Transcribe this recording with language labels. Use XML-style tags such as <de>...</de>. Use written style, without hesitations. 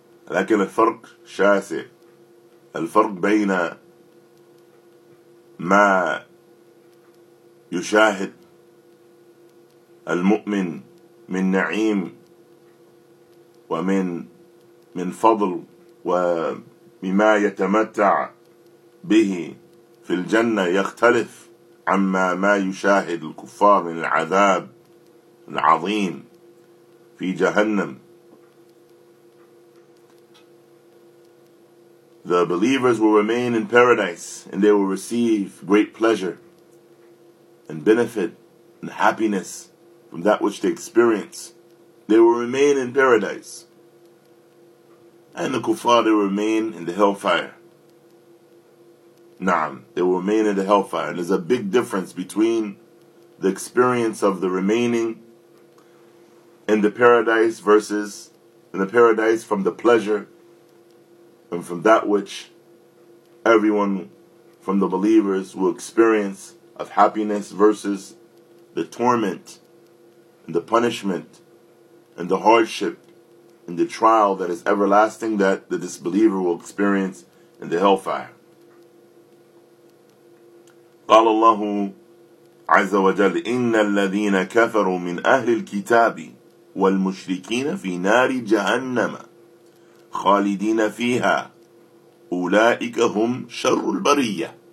<ar>لكن الفرق شاسع، الفرق بين ما يشاهد المؤمن من نعيم ومن فضل وبما يتمتع به في الجنة يختلف عما ما يشاهد الكفار من العذاب العظيم في جهنم.</ar> <en>The believers will remain in paradise and they will receive great pleasure and benefit and happiness from that which they experience. They will remain in paradise. And the kuffar, they will remain in the hellfire. Na'am, they will remain in the hellfire. And there's a big difference between the experience of the remaining in the paradise versus in the paradise from the pleasure and from that which everyone from the believers will experience of happiness versus the torment and the punishment and the hardship and the trial that is everlasting that the disbeliever will experience in the hellfire.</en> <ar>قال الله عز وجل إن الذين كفروا من أهل الكتاب والمشركين في نار جهنم خالدين فيها أولئك هم شر البرية.</ar>